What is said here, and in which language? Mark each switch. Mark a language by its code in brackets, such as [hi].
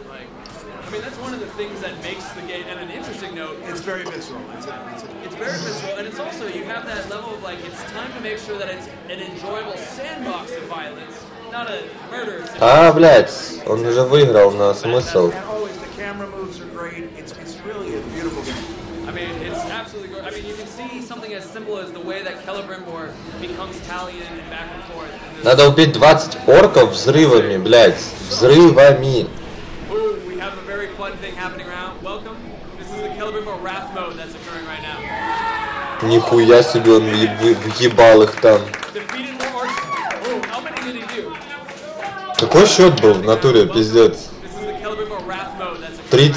[en] Like, I mean, that's one of the things that makes the game. And an interesting note. It's very visceral. It's very visceral, and it's also you have that level of like it's time to make sure that it's an enjoyable sandbox of violence, not a murder. [ru] А, блядь, он уже выиграл, но смысл. [en] Always the camera moves are great. It's really a beautiful game. I mean, it's absolutely great. I mean, you can see something as simple as the way that Celebrimbor becomes Talion and back and forth. [ru] Надо убить 20 орков взрывами, блядь. Взрывами. [en] We have a very fun thing happening around. Welcome. This is the Celebrimbor Wrath mode that's occurring right now. [ru] Нихуя себе, он въебал их там. [en] Defeated more orcs. How many did he do? [ru] Какой счет был в натуре, пиздец. [en] This is the Celebrimbor Wrath mode that's occurring.